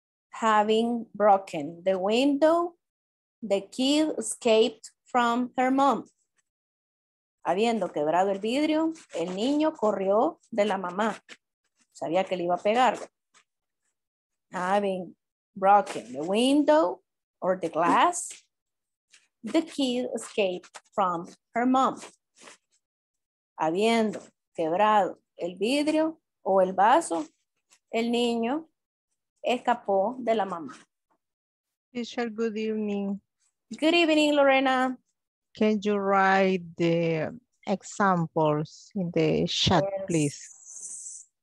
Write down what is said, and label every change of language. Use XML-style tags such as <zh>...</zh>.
<en>Having broken the window, the kid escaped from her mom.</en> <es>Habiendo quebrado el vidrio, el niño corrió de la mamá. Sabía que le iba a pegar.</es> <en>Having broken the window or the glass, the kid escaped from her mom.</en> <es>Habiendo quebrado el vidrio o el vaso, el niño escapó de la mamá.</es> <en>Michelle, good evening. Good evening, Lorena. Can you write the examples in the chat, yes, please?</en>